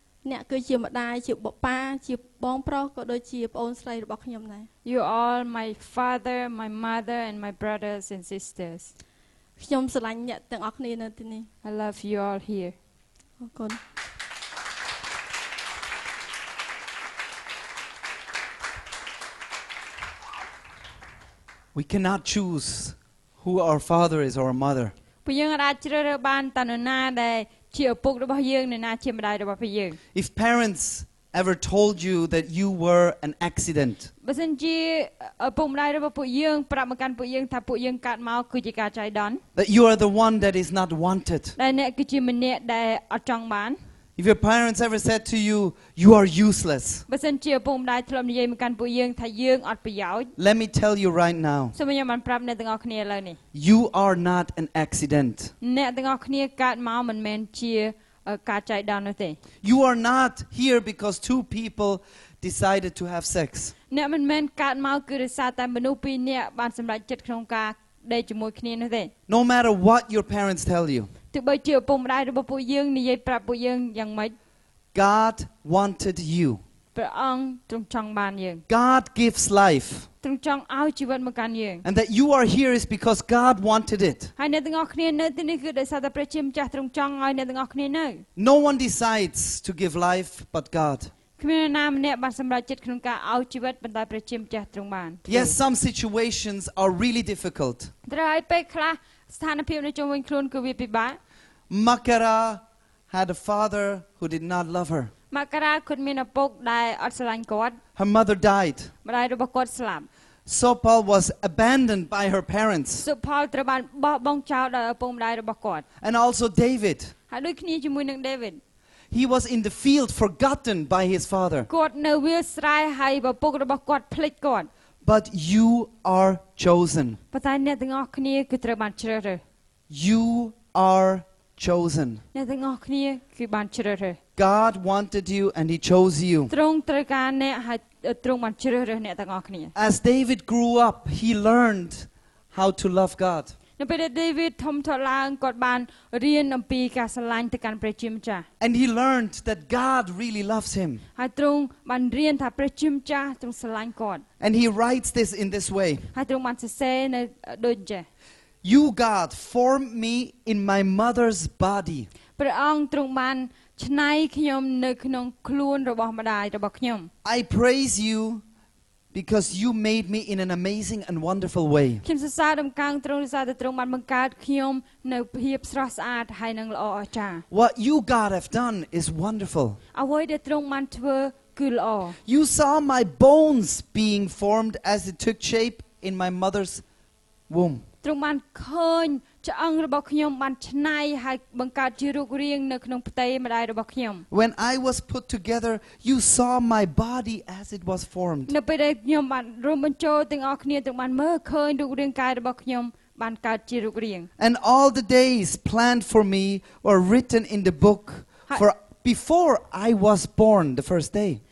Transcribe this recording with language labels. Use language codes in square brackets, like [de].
[km] អ្នកគឺជាម្ដាយជាបបាជាបងប្រុសក៏ដូចជាប្អូនស្រីរបស់ខ្ញុំដែរ [en] You all my father, my mother and my brothers and sisters. [km] ខ្ញុំស្រឡាញ់អ្នកទាំងអស់គ្នានៅទីនេះ [en] I love you all here. [km] អរគុណ [en] We cannot choose who our father is or our mother. [km] ព្រះយើងអាចជ្រើសរើសបានតើនរណាដែលជាឪពុករបស់យើងនរណាជាម្ដាយរបស់យើង [en] If parents ever told you that you were an accident [km] បើសិនជាឪពុកម្ដាយរបស់ពួកយើងប្រាប់មកកាន់ពួកយើងថាពួកយើងកើតមកគឺជាការចៃដន្យ [en] That you are the one that is not wanted [km] ដែលអ្នកគឺជាម្នាក់ដែលអត់ចង់បាន [en] If your parents ever said to you you are useless [km] បើសិនជាឪពុកម្ដាយធ្លាប់និយាយមកកាន់ពួកយើងថាយើងអត់ប្រយោជន៍ [en] Let me tell you right now [km] សូមខ្ញុំបានប្រាប់អ្នកទាំងអស់គ្នាឥឡូវនេះ [en] You are not an accident [km] អ្នកទាំងអស់គ្នាកើតមកមិនមែនជាការចៃដន្យនោះទេ [en] You are not here because two people decided to have sex [km] អ្នកមិនមែនកើតមកគឺដោយសារតែមនុស្សពីរនាក់បានសម្រេចចិត្តក្នុងការដេកជាមួយគ្នានោះទេ [en] No matter what your parents tell you [km] ទោះបីជាឪពុកម្ដាយរបស់ពួកយើងនិយាយប្រាប់ពួកយើងយ៉ាងម៉េច [en] God wanted you [km] ព្រះអង្គទ្រង់ចង់បានយើង [en] God gives life [km] ទ្រង់ចង់ឲ្យជីវិតមកកាន់យើង [en] And that you are here is because God wanted it [km] ហើយអ្នកទាំងអស់គ្នានៅទីនេះគឺដោយសារតែព្រះជាម្ចាស់ទ្រង់ចង់ឲ្យអ្នកទាំងអស់គ្នានៅ [en] No one decides to give life but God [km] គ្មានណាម្នាក់បានសម្រេចចិត្តក្នុងការឲ្យជីវិតប៉ុន្តែព្រះជាម្ចាស់ទ្រង់បាន [en] Yes some situations are really difficult [km] ត្រូវឲ្យពេលខ្លះស្ថានភាពនៅជុំវិញខ្លួនគឺវាពិបាក [en] Makara had a father who did not love her [km] Makara គាត់មានឪពុកដែលអត់ស្រឡាញ់គាត់ [en] Her mother died [km] ម្ដាយរបស់គាត់ស្លាប់ [en] So Paul was abandoned by her parents [km] So Paul ត្រូវបានបោះបង់ចោលដោយឪពុកម្ដាយរបស់គាត់ [en] And also David [km] ហើយដូចគ្នាជាមួយនឹង David [en] He was in the field forgotten by his father [km] គាត់នៅវាលស្រែហើយឪពុករបស់គាត់ភ្លេចគាត់ [en] But you are chosen. [km] ប៉ុន្តែអ្នកទាំងអស់គ្នាគឺត្រូវបានជ្រើសរើស [en] You are chosen. [km] អ្នកទាំងអស់គ្នាគឺបានជ្រើសរើស [en] God wanted you and he chose you. [km] ទ្រង់ត្រូវការអ្នកហើយទ្រង់បានជ្រើសរើសអ្នកទាំងអស់គ្នា [en] As David grew up, he learned how to love God. [km] នៅពេលដែល David ធំធាត់ឡើងគាត់បានរៀនអំពីការស្រឡាញ់ទៅកាន់ព្រះជាម្ចាស់ [en] And he learned that God really loves him. [km] ហើយទ្រង់បានរៀនថាព្រះជាម្ចាស់ទ្រង់ស្រឡាញ់គាត់ [en] And he writes this in this way. [km] ហើយទ្រង់បានសរសេរនៅដូចជា [en] You God formed me in my mother's body. [km] ព្រះអង្គទ្រង់បានច្នៃខ្ញុំនៅក្នុងខ្លួនរបស់ម្ដាយរបស់ខ្ញុំ [en] I praise you. Because you made me in an amazing and wonderful way. [km] ខ្ញុំសរសើរដំណកាងទ្រង់សរសើរទ្រង់បានបង្កើតខ្ញុំនៅភាពស្រស់ស្អាតហើយនឹងល្អអស្ចារ្យ [en] What you God have done is wonderful. [km] អ្វីដែលទ្រង់បានធ្វើ [en] You saw my bones being formed as it took shape in my mother's womb. [km] ទ្រង់បានឃើញឆ្អឹងរបស់ខ្ញុំបានឆ្នៃហើយបង្កើតជារូបរាងនៅក្នុងផ្ទៃម្ដាយរបស់ខ្ញុំ [en] When I was put together, you saw my body as it was formed. [km] នៅពេលដែលខ្ញុំបានរួមបញ្ចូលទាំងអស់គ្នាទាំងបានមើលឃើញរូបរាងកាយរបស់ខ្ញុំបានកើតជារូបរាង [en] And all the days planned for me were written in the book for before I was born the first day.